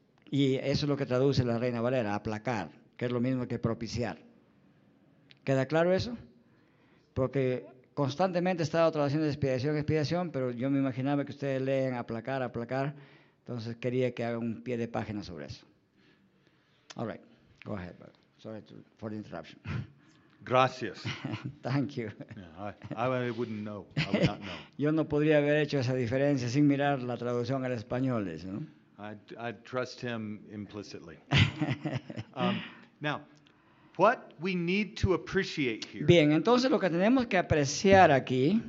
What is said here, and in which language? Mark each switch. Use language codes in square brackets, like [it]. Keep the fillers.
[es] Y eso es lo que traduce la Reina Valera, aplacar, que es lo mismo que propiciar. ¿Queda claro eso? Porque constantemente estaba de expiación, expiación, pero yo me imaginaba que ustedes leen aplacar, aplacar, entonces quería que haga un pie de página sobre eso. [en] All right, go ahead, but sorry to, for the interruption. [es] Gracias. [en] Thank you. Yeah, I, I, wouldn't know. I, would not know. [es] yo no podría haber hecho esa diferencia sin mirar la traducción al español, ¿no? [en] I trust him implicitly. um, now. What we need to appreciate here. [es] Bien, entonces lo que tenemos que apreciar aquí